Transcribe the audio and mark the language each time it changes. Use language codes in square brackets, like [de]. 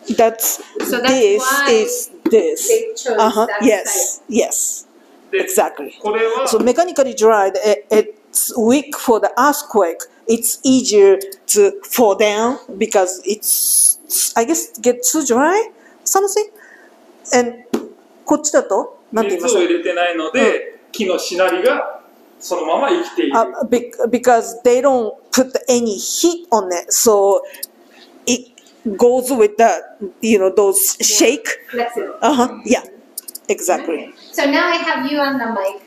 [en] That's this. Uh huh. Yes. Type. Yes. Exactly. So mechanically dried. It's weak for the earthquake. it's easier to fall down because it's, I guess, get too dry, something. And [ja] こっちだと何て言いますか？熱を入れてないので、うん、木のしなりがそのまま生きている。 [en] Because they don't put any heat on it, so it goes with the, you know, those shake. Flexible. Uh-huh. Yeah. Exactly. So now I have you on the mic.